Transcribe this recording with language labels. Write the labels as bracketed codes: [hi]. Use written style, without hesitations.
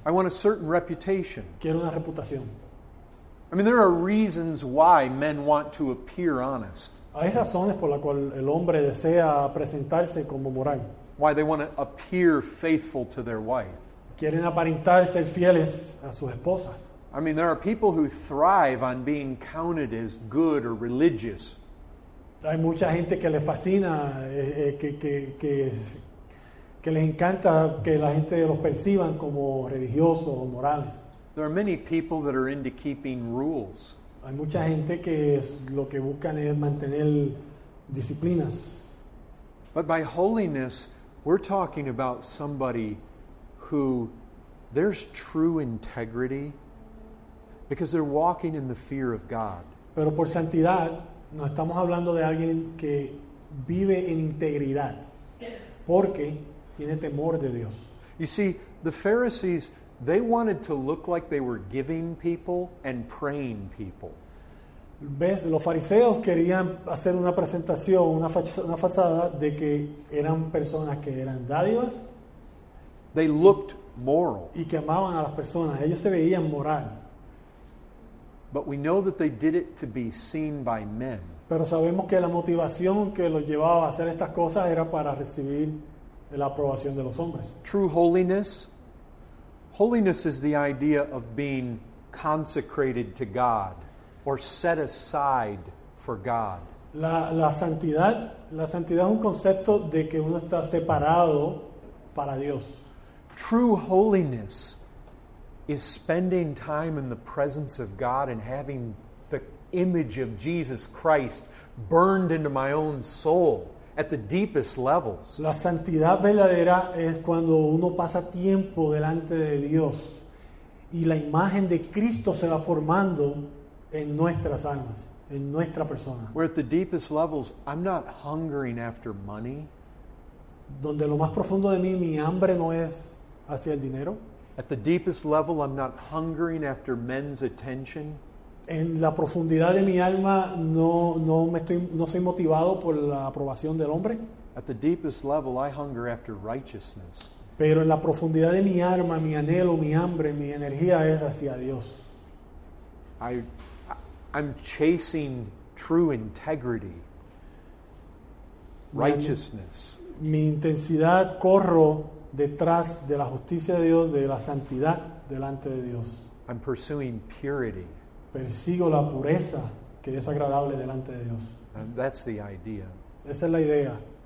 [en] I want a certain reputation. [es] Quiero una reputación. [en] I mean, there are reasons why men want to appear honest. [es] Hay razones por las cuales el hombre desea presentarse como moral. [en] Why they want to appear faithful to their wife. [es] Quieren aparentar ser fieles a sus esposas. [en] I mean, there are people who thrive on being counted as good or religious. [es] Hay mucha gente que le fascina, que les encanta que la gente los perciban como religiosos o morales. [en] There are many people that are into keeping rules. [es] Hay mucha gente que lo que buscan es mantener disciplinas. [en] But by holiness, we're talking about somebody who there's true integrity because they're walking in the fear of God. [es] Pero por santidad, no estamos hablando de alguien que vive en integridad porque tiene temor de Dios. [en] You see, the Pharisees, they wanted to look like they were giving people and praying people. [es] ¿Ves? Los fariseos querían hacer una presentación, una fachada de que eran personas que eran dádivas. [en] They looked moral. [es] Y que amaban a las personas. Ellos se veían moral. [en] But we know that they did it to be seen by men. [es] Pero sabemos que la motivación que los llevaba a hacer estas cosas era para recibir la aprobación de los hombres. [en] True holiness. Holiness is the idea of being consecrated to God or set aside for God. [es] La santidad es un concepto de que uno está separado para Dios. [en] True holiness is spending time in the presence of God and having the image of Jesus Christ burned into my own soul at the deepest levels. [es] La santidad verdadera es cuando uno pasa tiempo delante de Dios y la imagen de Cristo se va formando en nuestras almas, en nuestra persona. [en] Where at the deepest levels, I'm not hungering after money. [es] Donde lo más profundo de mí, mi hambre no es hacia el dinero. [en] At the deepest level, I'm not hungering after men's attention. [es] En la profundidad de mi alma no soy motivado por la aprobación del hombre. [en] At the deepest level, I hunger after righteousness. [es] Pero en la profundidad de mi alma, mi anhelo, mi hambre, mi energía es hacia Dios. [en] I'm chasing true integrity. Righteousness. [es] Mi intensidad corro detrás de la justicia de Dios, de la santidad delante de Dios. [en] I'm pursuing purity. [es] Persigo la pureza que es agradable delante de Dios. [en] And that's the idea. [es] Esa es la idea.